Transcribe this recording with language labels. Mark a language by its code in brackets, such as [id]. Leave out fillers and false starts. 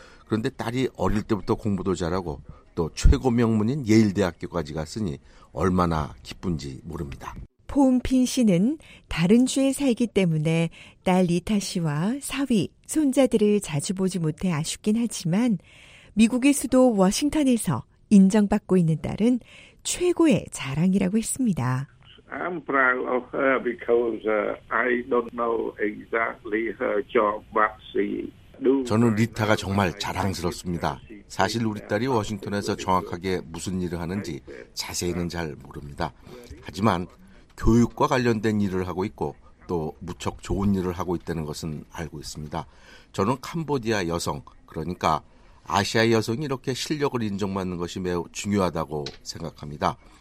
[ko] 그런데 딸이 어릴 때부터 공부도 잘하고 또 최고 명문인 예일대학교까지 갔으니 얼마나 기쁜지 모릅니다. 폼핀 씨는 다른 주에 살기 때문에 딸 리타 씨와 사위, 손자들을 자주 보지 못해 아쉽긴 하지만 미국의 수도 워싱턴에서 인정받고 있는 딸은 최고의 자랑이라고 했습니다. [en] I'm proud of her because I don't know exactly her job, but she... [ko] 저는 리타가 정말 자랑스럽습니다. 사실 우리 딸이 워싱턴에서 정확하게 무슨 일을 하는지 자세히는 잘 모릅니다. 하지만 교육과 관련된 일을 하고 있고 또 무척 좋은 일을 하고 있다는 것은 알고 있습니다. 저는 캄보디아 여성, 그러니까 아시아 여성이 이렇게 실력을 인정받는 것이 매우 중요하다고 생각합니다.